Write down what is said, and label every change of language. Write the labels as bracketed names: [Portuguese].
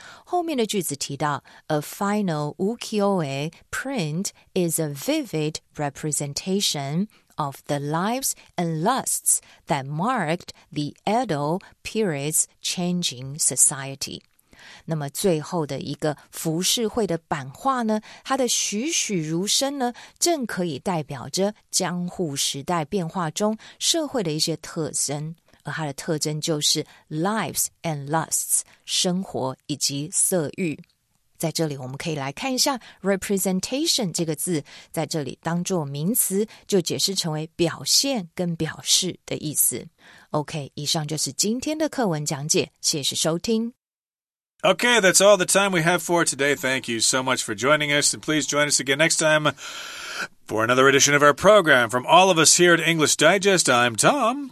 [Chinese] 后面的句子提到 [English] A final ukiyo-e print is a vivid representation of the lives and lusts that marked the Edo period's changing society. [Chinese] 那么最后的一个浮世绘的版画呢，它的栩栩如生呢，正可以代表着江户时代变化中社会的一些特征。而它的特征就是 [English] lives and lusts, [Chinese] 生活以及色欲。在这里我们可以来看一下 representation 这个字在这里当作名词就解释成为表现跟表示的意思。 OK, 以上就是今天的课文讲解，谢谢收听。 [English] Okay, that's all the time we have for today. Thank you so much for joining us, and please join us again next time for another edition of our program. From all of us here at English Digest, I'm Tom.